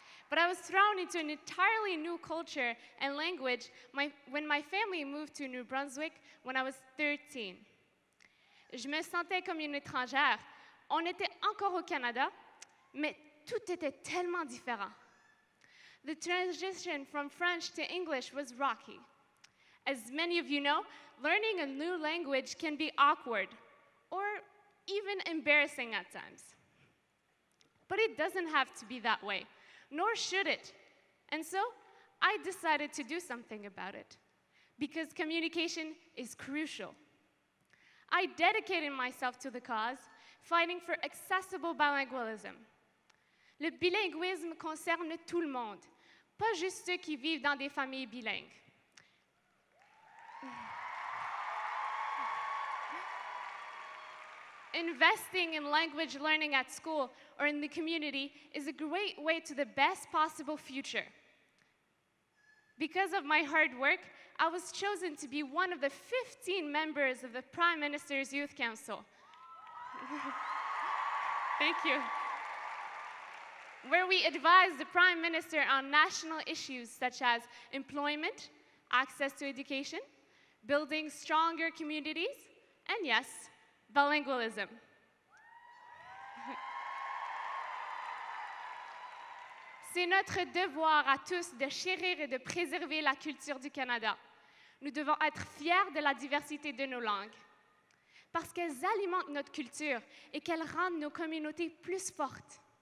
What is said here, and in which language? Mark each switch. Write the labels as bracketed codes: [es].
[en] But I was thrown into an entirely new culture and language when my family moved to New Brunswick when I was 13. [fr] Je me sentais comme une étrangère. On était encore au Canada, mais tout était tellement différent. [en] The transition from French to English was rocky. As many of you know, learning a new language can be awkward or even embarrassing at times. But it doesn't have to be that way, nor should it. And so I decided to do something about it because communication is crucial. I dedicated myself to the cause, fighting for accessible bilingualism. [fr] Le bilinguisme concerne tout le monde. Pas juste ceux qui vivent dans des familles bilingues. [en] Investing in language learning at school or in the community is a great way to the best possible future. Because of my hard work, I was chosen to be one of the 15 members of the Prime Minister's Youth Council. Thank you. Where we advise the Prime Minister on national issues such as employment, access to education, building stronger communities, and yes, bilingualism. [fr] C'est notre devoir à tous de chérir et de préserver la culture du Canada. Nous devons être fiers de la diversité de nos langues parce qu'elles alimentent notre culture et qu'elles rendent nos communautés plus fortes.